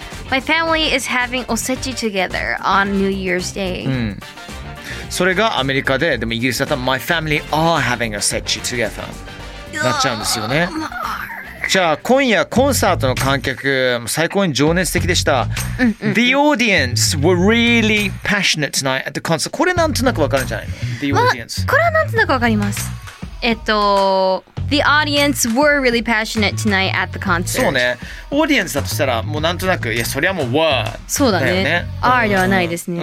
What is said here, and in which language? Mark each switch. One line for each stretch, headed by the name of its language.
English: My family is having おせち together on New Year's Day.
Japanese: うん、それがアメリカで、でもイギリスだったら
English: My family are having a set you together
Japanese: なっちゃうんですよね。じゃあ今夜コンサートの観客最高に情熱的でした、うんうんうん、
English: The audience were really passionate tonight at the concert。
Japanese: これなんとなくわかるんじゃないの、
English: The audience、
Japanese: まあ、これはなんとなくわかります。
English: The audience were really passionate tonight at the concert。
Japanese: そうね、オーディエンスだとしたらもうなんとなく、いやそりゃもう were だよ、ね、そうだね、 are ではないですね、